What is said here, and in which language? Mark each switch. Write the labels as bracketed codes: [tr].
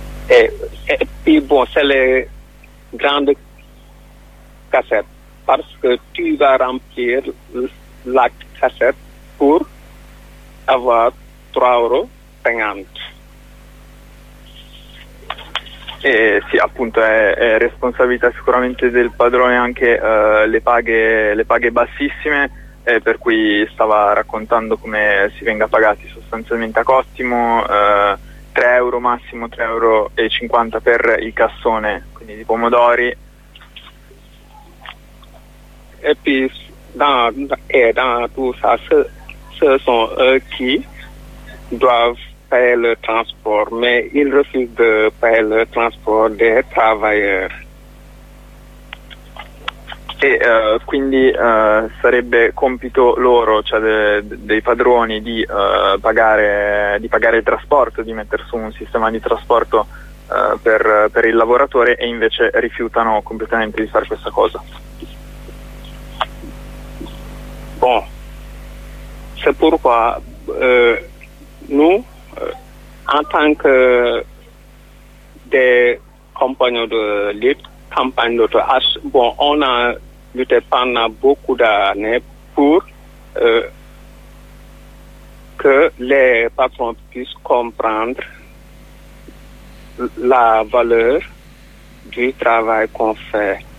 [fr] Et puis, bon, c'est les grandes cassette, parce que tu vas remplir la cassette pour avoir 3,50 euros. [it] E sì, appunto è responsabilità sicuramente del padrone anche le paghe bassissime, per cui stava raccontando come si venga pagati sostanzialmente a cottimo 3 euro massimo, 3,50 euro per il cassone, quindi di pomodori. [fr] Et puis, dans tout ça, ce sont eux qui doivent payer le transport, mais ils refusent de payer le transport des travailleurs. [it] E quindi sarebbe compito loro, cioè dei padroni, di pagare il trasporto, di mettere su un sistema di trasporto per il lavoratore, e invece rifiutano completamente di fare questa cosa. [fr] Bon, c'est pourquoi nous, en tant que des compagnons de lutte, campagne d'auto-H, bon, on a lutter pendant beaucoup d'années pour que les patrons puissent comprendre la valeur du travail qu'on fait.